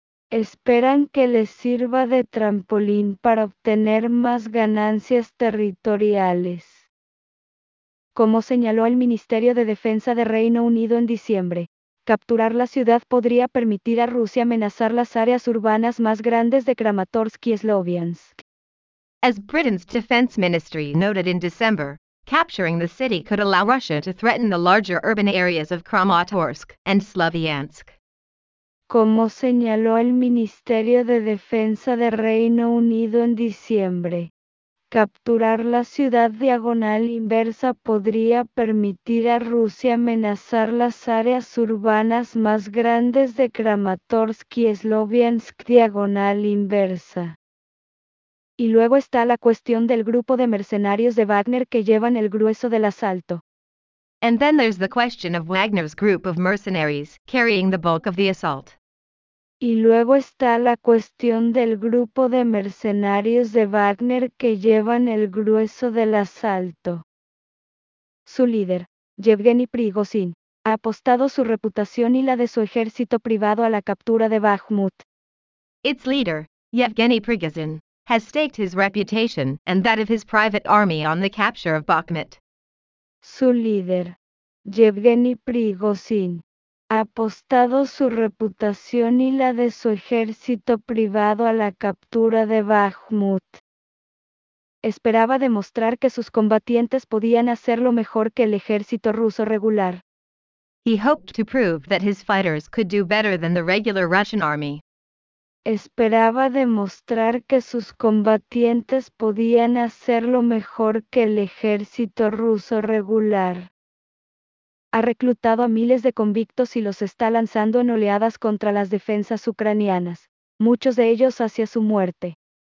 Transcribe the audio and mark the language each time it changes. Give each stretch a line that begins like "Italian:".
Spanish: Esperan que les sirva de trampolín para obtener más ganancias territoriales. Como señaló el Ministerio de Defensa de Reino Unido en diciembre, capturar la ciudad podría permitir a Rusia amenazar las áreas urbanas más grandes de Kramatorsk y Sloviansk.
English: As Britain's Defense Ministry noted in December, capturing the city could allow Russia to threaten the larger urban areas of Kramatorsk and Sloviansk.
Spanish: Como señaló el Ministerio de Defensa de Reino Unido en diciembre, capturar la ciudad diagonal inversa podría permitir a Rusia amenazar las áreas urbanas más grandes de Kramatorsk y Sloviansk diagonal inversa. Y luego está la cuestión del grupo de mercenarios de Wagner que llevan el grueso del asalto.
English: And then there's the question of Wagner's group of mercenaries carrying the bulk of the assault.
Spanish: Y luego está la cuestión del grupo de mercenarios de Wagner que llevan el grueso del asalto. Su líder, Yevgeny Prigozhin, ha apostado su reputación y la de su ejército privado a la captura de Bakhmut.
English: Its leader, Yevgeny Prigozhin, has staked his reputation and that of his private army on the capture of Bakhmut.
Spanish: Su líder, Yevgeny Prigozhin, ha apostado su reputación y la de su ejército privado a la captura de Bakhmut. Esperaba demostrar que sus combatientes podían hacerlo mejor que el ejército ruso regular.
English: He hoped to prove that his fighters could do better than the regular Russian army.
Spanish: Esperaba demostrar que sus combatientes podían hacerlo mejor que el ejército ruso regular. Ha reclutado a miles de convictos y los está lanzando en oleadas contra las defensas ucranianas, muchos de ellos hacia su muerte.